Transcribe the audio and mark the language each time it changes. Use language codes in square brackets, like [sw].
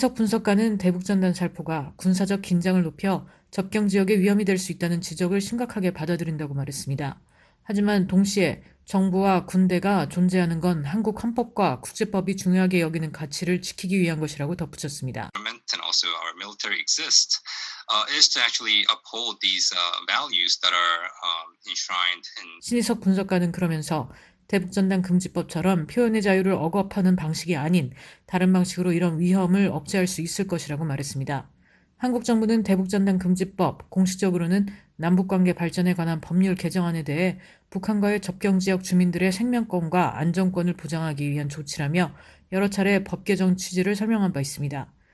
[ko] 신석 분석가는 대북전단 살포가 군사적 긴장을 높여 접경지역에 위험이 될 수 있다는 지적을 심각하게 받아들인다고 말했습니다. 하지만 동시에 정부와 군대가 존재하는 건 한국 헌법과 국제법이 중요하게 여기는 가치를 지키기 위한 것이라고 덧붙였습니다. [en] And also our military exists is to actually uphold these values that are enshrined in [ko] 신희석 분석가는 그러면서 대북 전단 금지법처럼 표현의 자유를 억압하는 방식이 아닌 다른 방식으로 이런 위험을 억제할 수 있을 것이라고 말했습니다. 한국 정부는 대북 전단 금지법 공식적으로는 남북관계 발전에 관한 법률 개정안에 대해 북한과의 접경지역 주민들의 생명권과 안정권을 보장하기 위한 조치라며 여러 차례 법 개정 취지를 설명한 바 있습니다.